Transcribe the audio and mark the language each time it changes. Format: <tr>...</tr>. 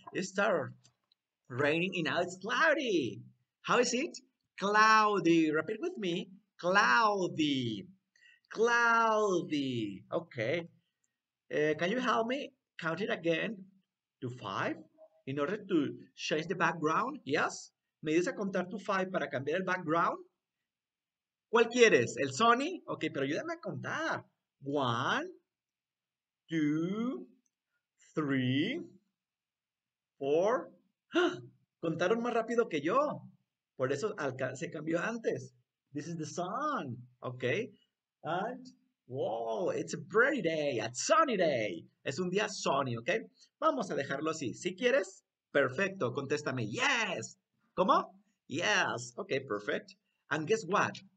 <en>It started raining and now it's cloudy. How is it? Cloudy. Repeat with me. Cloudy. Cloudy. Okay. Can you help me count it again to five in order to change the background? Yes?</en> <es>¿Me ayudas a contar</es> <en>to five</en> <es>para cambiar el background? ¿Cuál quieres? ¿El sunny?</es> <en>Okay,</en> <es>pero ayúdame a contar.</es> <en>One, two, three, four.</en> <es>¿Contaron más rápido que yo? Por eso se cambió antes.</es> <en>This is the sun, okay? And, wow, it's a pretty day, a sunny day.</en> <es>Es un día sunny, okay? Vamos a dejarlo así. Si quieres, perfecto, contéstame. Yes. ¿Cómo? Yes.</es> <en>Okay, perfect. And guess what?</en>